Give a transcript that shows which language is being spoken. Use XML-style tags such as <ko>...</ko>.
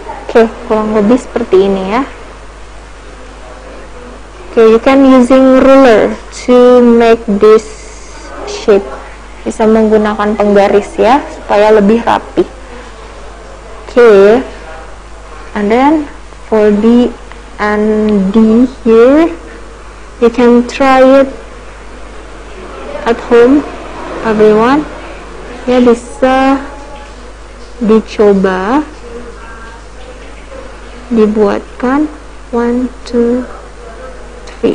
<id>Okay, kurang lebih seperti ini, ya.</id> <en>Okay, you can using ruler to make this shape.</en> <id>Bisa menggunakan penggaris, ya, supaya lebih rapi.</id> <en>Okay, and then for B and D here, you can try it at home, everyone.</en> <id>Ya, bisa dicoba dibuatkan 1, 2, 3.</id>